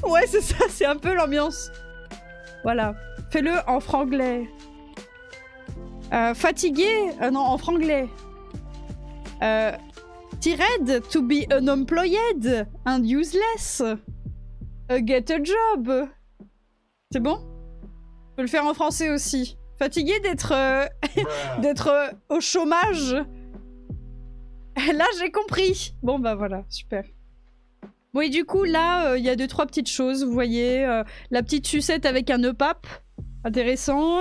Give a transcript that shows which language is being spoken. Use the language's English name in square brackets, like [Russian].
[French] Ouais, c'est ça, c'est un peu l'ambiance. Voilà, fais-le en franglais. Fatigué? Non, en franglais. [English] Tired to be unemployed and useless? Get a job. [French] C'est bon? Je peux le faire en français aussi. Fatigué d'être au chômage. Là, j'ai compris. Bon, bah voilà, super. Bon, et du coup, là, il y a deux, trois petites choses. Vous voyez, la petite sucette avec un nœud pape. Intéressant.